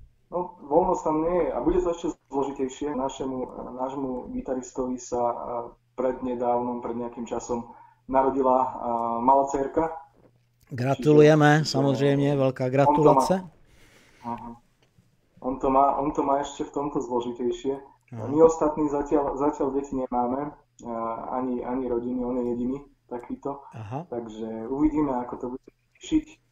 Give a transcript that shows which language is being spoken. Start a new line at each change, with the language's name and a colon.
Slovak: No, voľnosť tam nie je a bude to ešte zložitejšie. Nášmu gitaristovi sa pred nejakým časom narodila malá dcérka,
Czech: Gratulujeme, samozřejmě, velká gratulace.
Slovak: on to má ešte v tomto zložitejšie. Aha. My ostatní zatiaľ deti nemáme, ani rodiny, on je jediný takýto, Aha. takže uvidíme, ako to bude riešiť.